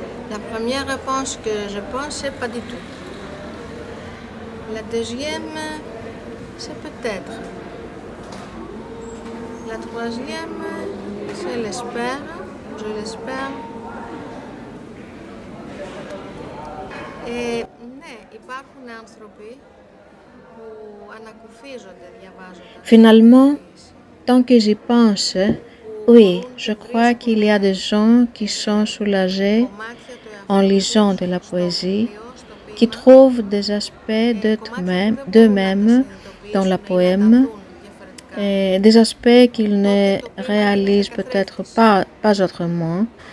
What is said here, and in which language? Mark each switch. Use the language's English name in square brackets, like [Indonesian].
[French] La première réponse que je pense, c'est pas du tout. La deuxième, c'est peut-être. La troisième, c'est l'espère, je l'espère. [Greek] Et, ναι, υπάρχουν άνθρωποι που ανακουφίζονται διαβάζοντας. [French] Finalement, tant que j'y pense, oui, je crois qu'il y a des gens qui sont soulagés en lisant de la poésie, qui trouvent des aspects d'eux-mêmes dans la poème, et des aspects qu'ils ne réalisent peut-être pas autrement.